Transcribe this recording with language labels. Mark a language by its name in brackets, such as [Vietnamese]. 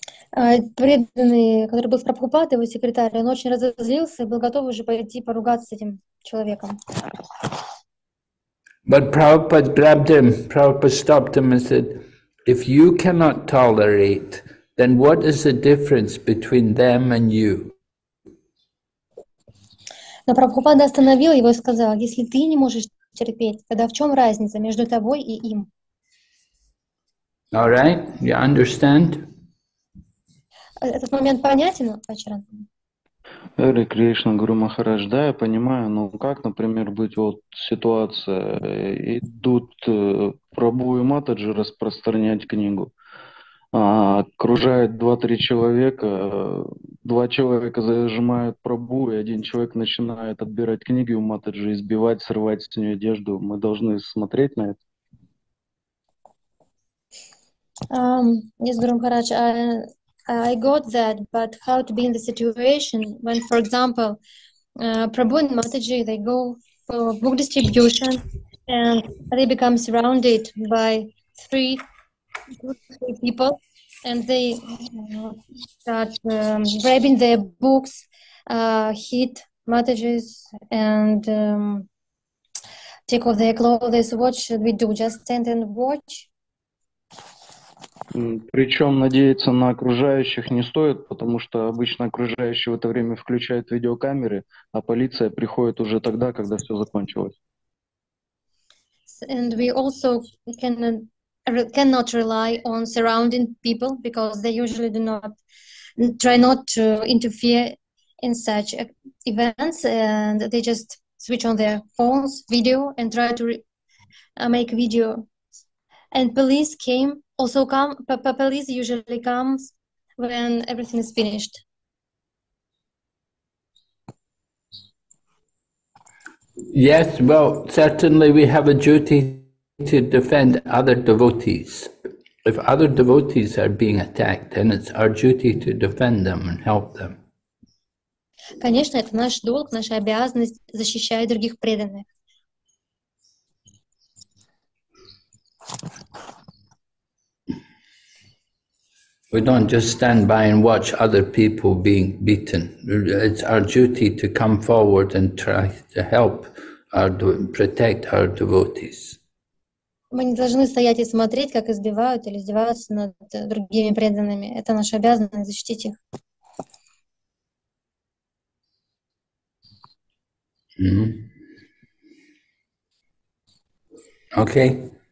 [Russian] Преданный, который был с Прабхупадой, его секретарь, он очень разозлился и был готов уже пойти поругаться с этим человеком. [English] But Prabhupada grabbed him. Prabhupada stopped him and said, "If you cannot tolerate, then what is the difference between them and you?" [Russian] Но Прабхупада остановил его и сказал, "Если ты не можешь терпеть, тогда в чем разница между тобой и им?" [English] All right, you understand? [Russian] Этот момент понятен, Ачаран? Hare Krishna, Guru Maharaj, да, я понимаю, но как, например, быть вот ситуация, идут Прабху и Матаджи распространять книгу, окружает 2-3 человека, 2 человека зажимают Прабху, и один человек начинает отбирать книги у Матаджи, избивать, срывать с нее одежду. Мы должны смотреть на это? [English] Yes, Guru Maharaj, I got that, but how to be in the situation when, for example, Prabhu and Mataji, they go for book distribution and they become surrounded by three people and they start grabbing their books, hit Mataji's and take off their clothes. What should we do? Just stand and watch? [Russian] Причем надеяться на окружающих не стоит, потому что обычно окружающие в это время включают видеокамеры, а полиция приходит уже тогда, когда все закончилось. [English] And we also cannot rely on surrounding people, because they usually do not try not to interfere in such events, and they just switch on their phones, video, and try to make video. And police came. Also come, police usually comes when everything is finished. Yes, well, certainly we have a duty to defend other devotees. If other devotees are being attacked, then it's our duty to defend them and help them. [Russian] Конечно, это наш долг, наша обязанность защищать других преданных. [English] We don't just stand by and watch other people being beaten. It's our duty to come forward and try to help our protect our devotees. [Russian] Мы не должны стоять и смотреть, как избивают или издеваются над другими преданными. Это наша обязанность защитить их. [English] Okay.